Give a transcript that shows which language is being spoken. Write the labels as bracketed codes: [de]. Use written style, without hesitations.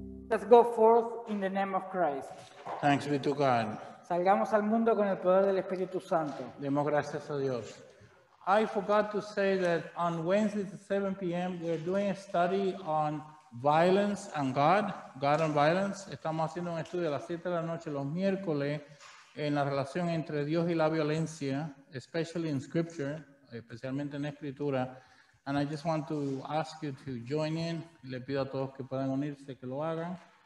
[en] Let's go forth in the name of Christ. Thanks be to God. [es] Salgamos al mundo con el poder del Espíritu Santo. Demos gracias a Dios. [en] I forgot to say that on Wednesday at 7 p.m. we're doing a study on violence and God, God and violence. [es] Estamos haciendo un estudio a las 7 de la noche los miércoles en la relación entre Dios y la violencia, [en] especially in Scripture, [es] especialmente en Escritura. [en] And I just want to ask you to join in. [es] Le pido a todos que puedan unirse, que lo hagan.